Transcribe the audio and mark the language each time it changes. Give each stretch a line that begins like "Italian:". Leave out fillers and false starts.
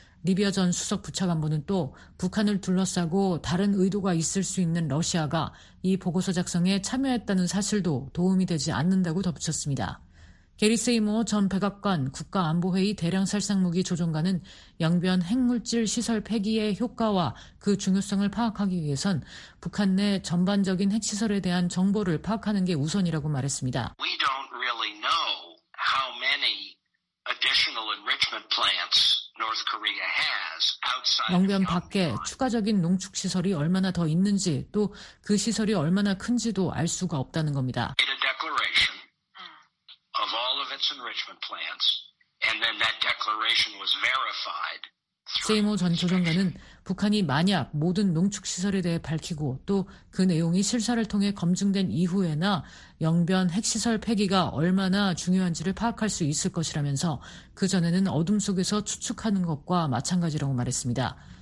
Korean: 리비아 전 수석 부차관보는 또 북한을 둘러싸고 다른 의도가 있을 수 있는 러시아가 이 보고서 작성에 참여했다는 사실도 도움이 되지 않는다고 덧붙였습니다. 게리 세이모 전 백악관 국가안보회의 대량살상무기 조정관은 영변 핵물질 시설 폐기의 효과와 그 중요성을 파악하기 위해선 북한 내 전반적인 핵시설에 대한 정보를 파악하는 게 우선이라고 말했습니다.
English: We don't really know how many additional enrichment plants North Korea has outside.
Korean: 영변 밖에 추가적인 농축시설이 얼마나 더 있는지 또 그 시설이 얼마나 큰지도 알 수가 없다는 겁니다.
English: Of all of its enrichment plants, and then that declaration was verified.
Korean: 세이모 전 조정관은 북한이 만약 모든 농축시설에 대해 밝히고 또 그 내용이 실사를 통해 검증된 이후에나 영변 핵시설 폐기가 얼마나 중요한지를 파악할 수 있을 것이라면서 그전에는 어둠 속에서 추측하는 것과 마찬가지라고 말했습니다.